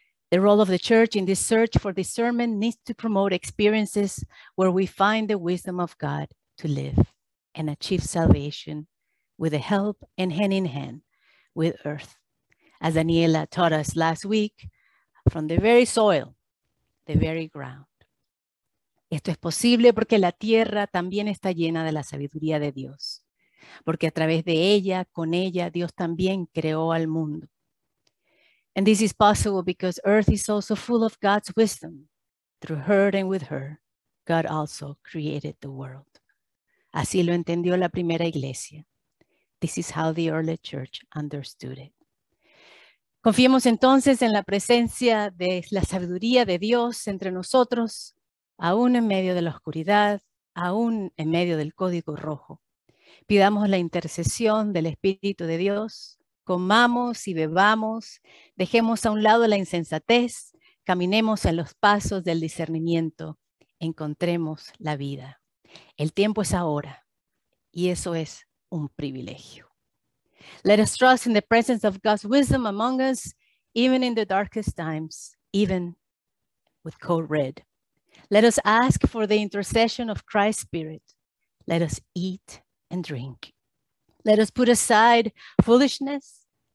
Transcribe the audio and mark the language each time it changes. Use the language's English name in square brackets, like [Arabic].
[English] The role of the church in this search for discernment needs to promote experiences where we find the wisdom of God to live and achieve salvation with the help and hand in hand with earth. As Daniela taught us last week, from the very soil, the very ground. [Spanish] Esto es posible porque la tierra también está llena de la sabiduría de Dios. Porque a través de ella, con ella, Dios también creó al mundo. [English] And this is possible because earth is also full of God's wisdom. Through her and with her, God also created the world. [Spanish] Así lo entendió la primera iglesia. [English] This is how the early church understood it. [Spanish] Confiemos entonces en la presencia de la sabiduría de Dios entre nosotros, aún en medio de la oscuridad, aún en medio del código rojo. Pidamos la intercesión del Espíritu de Dios Comamos y bebamos, dejemos a un lado la insensatez, caminemos en los pasos del discernimiento, encontremos la vida. El tiempo es ahora, y eso es un privilegio. [English] Let us trust in the presence of God's wisdom among us, even in the darkest times, even with code red. Let us ask for the intercession of Christ's Spirit. Let us eat and drink. Let us put aside foolishness.